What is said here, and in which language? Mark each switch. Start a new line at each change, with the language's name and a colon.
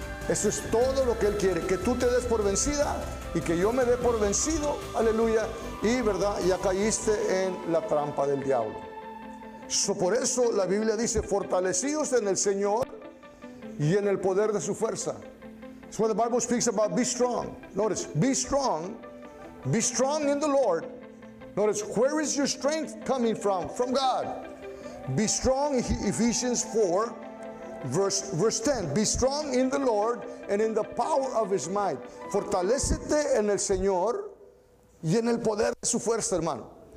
Spanish: Eso es todo lo que Él quiere. Que tú te des por vencida y que yo me dé por vencido. Aleluya. Y, ¿verdad? Ya caíste en la trampa del diablo. Por eso la Biblia dice, fortalecidos en el Señor y en el poder de su fuerza.
English: That's what the Bible speaks about, be strong. Notice, be strong in the Lord. Notice, where is your strength coming from? From God. Be strong, Ephesians 4, verse 10. Be strong in the Lord and in the power of His might.
Spanish: Fortalecete en el Señor y en el poder de su fuerza, hermano.